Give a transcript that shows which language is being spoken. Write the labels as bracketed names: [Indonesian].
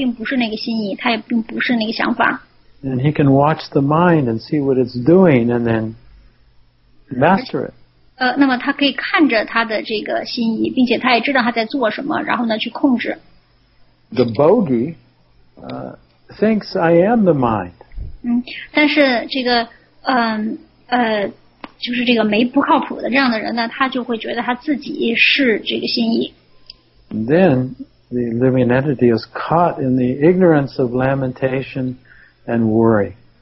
[Chinese] 那么作为一个瑜伽士来说呢，他知道他并不是那个心意，他也并不是那个想法。 [English] And he can watch the mind and see what it's doing and then master it. [Chinese] 那么他可以看着他的这个心意，并且他也知道他在做什么，然后呢去控制。 [English] The bogey thinks I am the mind. [Chinese] 但是这个没不靠谱的这样的人呢，他就会觉得他自己是这个心意。 [English] Then the living entity is caught in the ignorance of lamentation and worry.